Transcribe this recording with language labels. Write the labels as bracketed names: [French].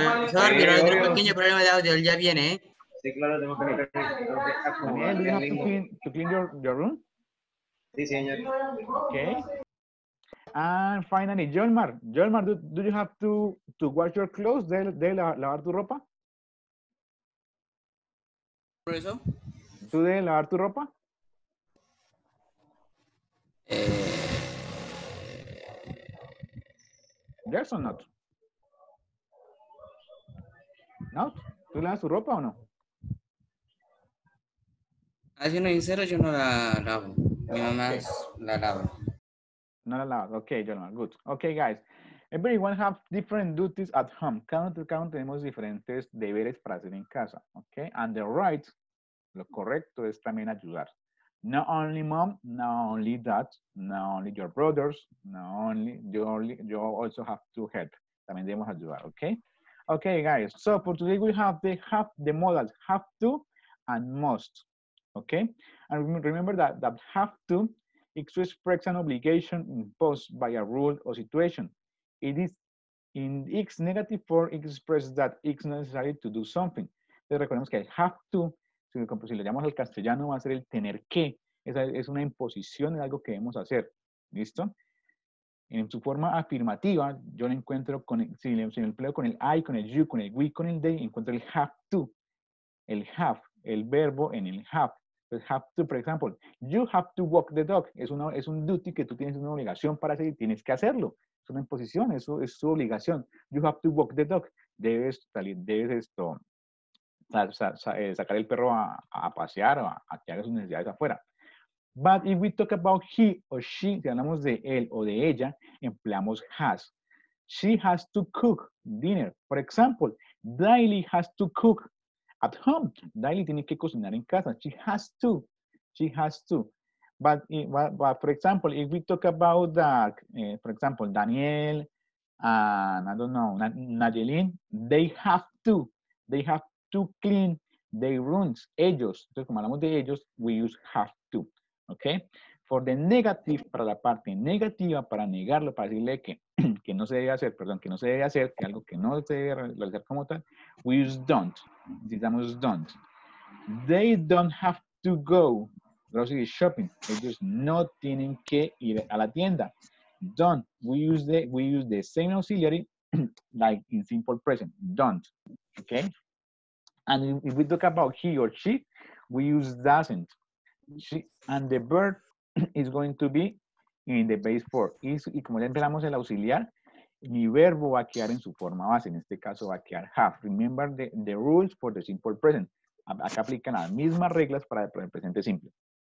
[Spanish] Sorry, pero hay un pequeño problema de audio, él ya viene. Sí, claro, tengo que meter. [English] Daniel, do you have to clean your room? [Spanish] Sí, señor. [English] Okay. And finally, Jolmar, do you have to wash your clothes? [Spanish] ¿Debes lavar tu ropa? ¿Por eso? ¿Tú debes lavar tu ropa? [English] ¿Yes or not? [Spanish] ¿No? ¿Tú lavas tu ropa o no? Siendo sincero, yo no la lavo. Mi mamá la lava. No la lavas. [English] Ok, gentlemen. Good. Ok, guys. Everyone have different duties at home. [Spanish] Cada uno tenemos diferentes deberes para hacer en casa. [English] Ok. And the right. [Spanish] Lo correcto es también ayudar. [English] Not only mom, not only dad, not only your brothers, not only, you also have to help. [Spanish] También debemos ayudar, [English] okay? Okay, guys, so for today we have the modals, have to and must, okay? And remember that have to express an obligation imposed by a rule or situation. It is in its negative form, it expresses that it's necessary to do something. [Spanish] Entonces recordemos que I have to. Si lo llamamos al castellano, va a ser el tener que. Esa es una imposición, es algo que debemos hacer. ¿Listo? En su forma afirmativa, yo lo encuentro con si me empleo con el I, con el you, con el we, con el they, encuentro el have to. El have, el verbo en el have. El have to, por ejemplo, [English] you have to walk the dog. [Spanish] Es un duty que tú tienes, una obligación para hacer y tienes que hacerlo. Es una imposición, eso es su obligación. [English] You have to walk the dog. [Spanish] Sacar el perro a pasear o a que haga sus necesidades afuera. [English] But if we talk about he or she, [Spanish] si hablamos de él o de ella, [English] empleamos has. She has to cook dinner. For example, Daily has to cook at home. [Spanish] Daily tiene que cocinar en casa. [English] She has to. She has to. But for example, if we talk about for example, Daniel and I don't know, Nayelin, they have to. They have to clean their rooms. [Spanish] Ellos. Entonces, como hablamos de ellos, [English] we use have to. [Spanish] Okay? [English] For the negative, [Spanish] para la parte negativa, para negarlo, para decirle que no se debe hacer, perdón, que no se debe hacer, que algo que no se debe realizar como tal, [English] we use don't. [Spanish] Digamos don't. [English] They don't have to go grocery shopping. [Spanish] Ellos no tienen que ir a la tienda. [English] Don't. We use the same auxiliary like in simple present. Don't. Okay? And if we talk about he or she, we use doesn't. She and the verb is going to be in the base form. [Spanish] Y como ya empezamos el auxiliar, mi verbo va a quedar en su forma base. En este caso va a quedar have. [English] Remember the rules for the simple present. [Spanish] Acá aplican las mismas reglas para el presente simple.